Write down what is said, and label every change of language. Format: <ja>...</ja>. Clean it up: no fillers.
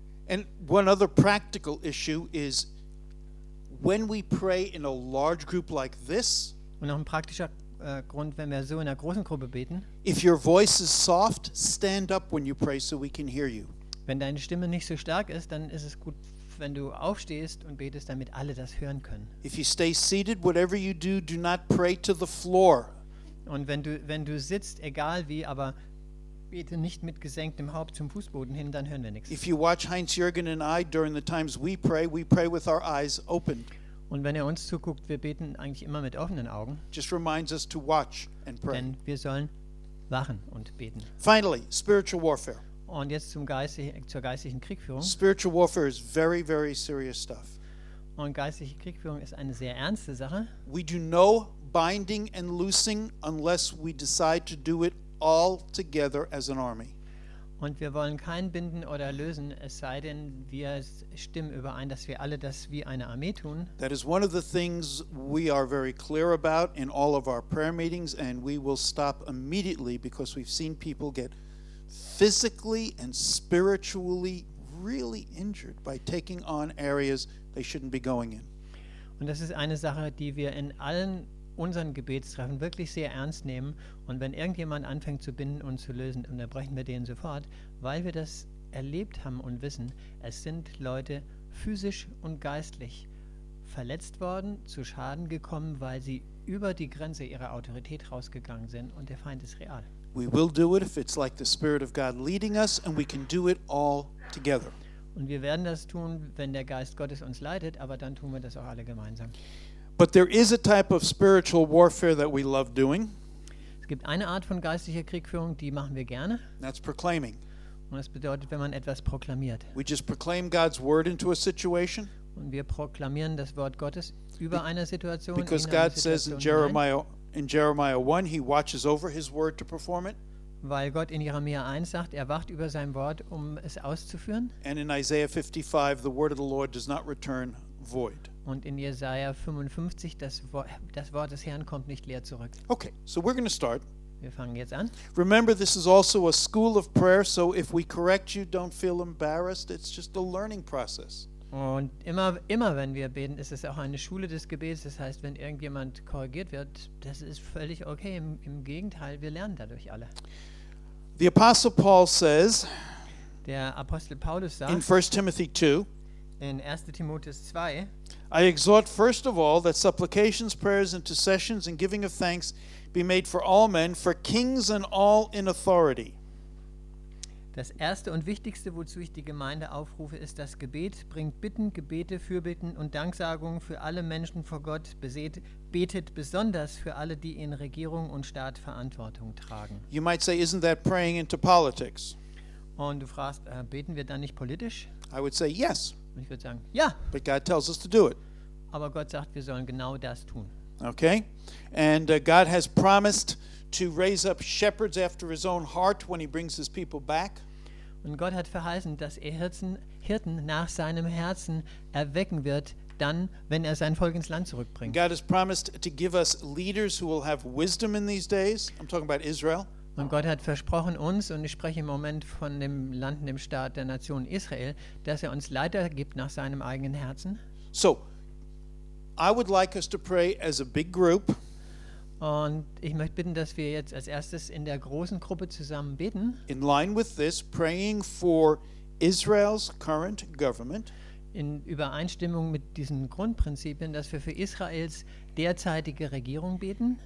<en>And one other practical issue is when we pray in a large group like this.</en> <de>Und noch ein praktischer Grund, wenn wir so in einer großen Gruppe beten.</de> <en>If your voice is soft, stand up when you pray so we can hear you.</en> <de>Wenn deine Stimme nicht so stark ist, dann ist es gut, wenn du aufstehst und betest, damit alle das hören können.</de> <en>If you stay seated, whatever you do, do not pray to the floor.</en> <de>Und wenn du sitzt, egal wie, aber bete nicht mit gesenktem Haupt zum Fußboden hin, dann hören wir nichts.</de> <en>If you watch Heinz-Jürgen and I during the times we pray with our eyes open.</en> <de>Und wenn er uns zuguckt, wir beten eigentlich immer mit offenen Augen.</de> <en>Just reminds us to watch and pray.</en> <de>Denn wir sollen wachen und beten.</de> <en>Finally, spiritual warfare.</en> <de>Und jetzt zur geistlichen Kriegführung.</de> <en>Spiritual warfare is very, very serious stuff.</en> <de>Und geistliche Kriegführung ist eine sehr ernste Sache.</de> <en>We do no binding and loosing unless we decide to do it all together as an army.</en> <de>Und wir wollen kein Binden oder Lösen, es sei denn, wir stimmen überein, dass wir alle das wie eine Armee tun.</de> <en>That is one of the things we are very clear about in all of our prayer meetings, and we will stop immediately because we've seen people get physically and spiritually really injured by taking on areas they shouldn't be going in.</en> <de>Und das ist eine Sache, die wir in allen unseren Gebetstreffen wirklich sehr ernst nehmen, und wenn irgendjemand anfängt zu binden und zu lösen, unterbrechen wir den sofort, weil wir das erlebt haben und wissen, es sind Leute physisch und geistlich verletzt worden, zu Schaden gekommen, weil sie über die Grenze ihrer Autorität rausgegangen sind, und der Feind ist real.</de> <en>We will do it if it's like the Spirit of God leading us, and we can do it all together.</en> <de>Und wir werden das tun, wenn der Geist Gottes uns leitet, aber dann tun wir das auch alle gemeinsam.</de> <en>But there is a type of spiritual warfare that we love doing.</en> <de>Es gibt eine Art von geistlicher Kriegführung, die machen wir gerne.</de> <en>That's proclaiming.</en> <de>Und das bedeutet, wenn man etwas proklamiert.</de> <en>We just proclaim God's word into a situation.</en> <de>Und wir proklamieren das Wort Gottes über eine Situation.</de> <en>Because God says in Jeremiah 1, he watches over his word to perform it.</en> <de>Weil Gott in Jeremia 1 sagt, er wacht über sein Wort, um es auszuführen.</de> <en>And in Isaiah 55, the word of the Lord does not return void.</en> <de>Und in Jesaja 55, das Wort des Herrn kommt nicht leer zurück.</de> <en>Okay, so we're going to start.</en> <de>Wir fangen jetzt an.</de> <en>Remember, this is also a school of prayer, so if we correct you, don't feel embarrassed. It's just a learning process.</en> <de>Und immer wenn wir beten, ist es auch eine Schule des Gebets. Das heißt, wenn irgendjemand korrigiert wird, das ist völlig okay. Im Gegenteil, wir lernen dadurch alle.</de> <en>The Apostle Paul says,</en> <de>der Apostel Paulus sagt,</de> <en>in 1 Timothy 2,</en> <de>in 1. Timotheus 2,</de> <en>I exhort first of all that supplications, prayers, intercessions and giving of thanks be made for all men, for kings and all in authority.</en> <de>Das erste und wichtigste, wozu ich die Gemeinde aufrufe, ist das Gebet. Bringt Bitten, Gebete, Fürbitten und Danksagungen für alle Menschen vor Gott. Betet besonders für alle, die in Regierung und Staat Verantwortung tragen.</de> <en>You might say, isn't that praying into politics?</en> <de>Und du fragst, beten wir dann nicht politisch?</de> <en>I would say yes.</en> <de>Und ich würde sagen, ja.</de> <en>But God tells us to do it.</en> <de>Aber Gott sagt, wir sollen genau das tun.</de> <en>Okay? And God has promised to raise up shepherds after his own heart when he brings his people back.</en> <de>Und Gott hat verheißen, dass er Hirten nach seinem Herzen erwecken wird, dann, wenn er sein Volk ins Land zurückbringt.</de> <en>God has promised to give us leaders who will have wisdom in these days. I'm talking about Israel.</en> <de>Und Gott hat versprochen uns, und ich spreche im Moment von dem Land, dem Staat der Nation Israel, dass er uns Leiter gibt nach seinem eigenen Herzen.</de> <en>So, I would like us to pray as a big group.</en> <de>Und ich möchte bitten, dass wir jetzt als erstes in der großen Gruppe zusammen beten.</de> <en>In line with this, praying for Israel's current government.</en> <de>In Übereinstimmung mit diesen Grundprinzipien, dass wir für Israels derzeitige Regierung beten.</de>